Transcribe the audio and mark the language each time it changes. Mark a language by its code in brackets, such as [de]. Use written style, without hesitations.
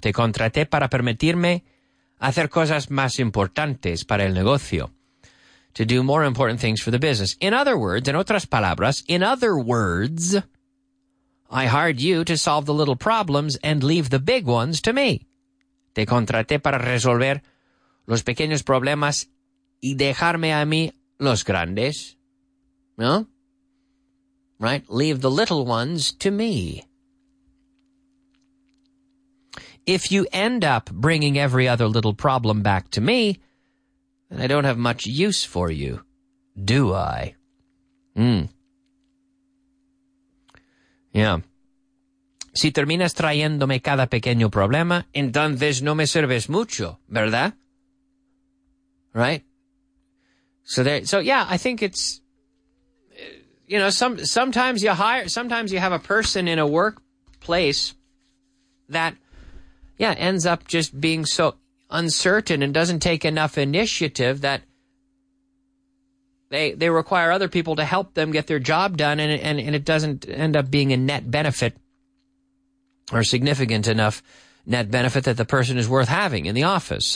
[es] Te contraté para permitirme hacer cosas más importantes para el negocio. [en] To do more important things for the business. In other words, [es] en otras palabras, [en] in other words, I hired you to solve the little problems and leave the big ones to me. [es] Te contraté para resolver los pequeños problemas y dejarme a mí los grandes. ¿No? [en] Right? Leave the little ones to me. If you end up bringing every other little problem back to me, then I don't have much use for you, do I? Yeah. [es] Si terminas trayéndome cada pequeño problema, entonces no me sirves mucho, ¿verdad? [en] Right? Sometimes you have a person in a workplace that, yeah, ends up just being so uncertain and doesn't take enough initiative that they require other people to help them get their job done, and it doesn't end up being a net benefit or significant enough net benefit that the person is worth having in the office.